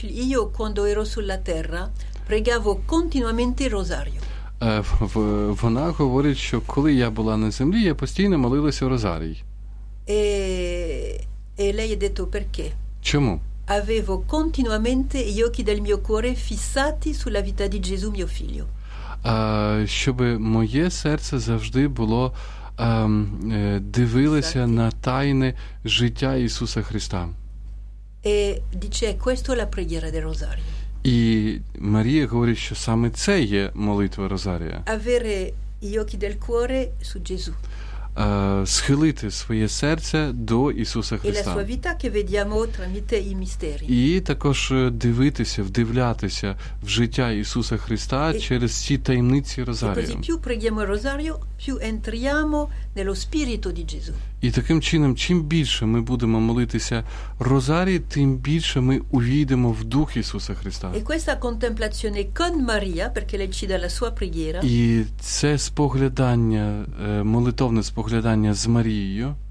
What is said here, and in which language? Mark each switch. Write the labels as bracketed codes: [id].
[it] Io quando ero sulla terra pregavo continuamente il rosario. [uk] Вона говорить, що коли я була на землі, я постійно молилася розарій. [it] E lei ha detto perché? [uk] Чому? [it] Avevo continuamente gli occhi del mio cuore fissati sulla vita di Gesù mio figlio. [uk] Щоб моє серце завжди було дивилося на тайне життя Ісуса Христа. [it] E dice questo è la preghiera del rosario. [uk] І Марія говорить, що саме це є молитва розарія. [it] Avere gli occhi del cuore su Gesù. [uk] Схилити своє серце до Ісуса Христа. [it] E la sua vita che vediamo tramite i misteri. [uk] І також дивитися, вдивлятися в життя Ісуса Христа через ці таємниці розарія. [it] Così più preghiamo il rosario, più entriamo nello spirito di Gesù. [uk] І таким чином, чим більше ми будемо молитися розарій, тим більше ми увійдемо в дух Ісуса Христа. [it] E questa contemplazione con Maria, perché lei ci dà la sua preghiera. [uk] І це споглядання, молитовне споглядання з Марією.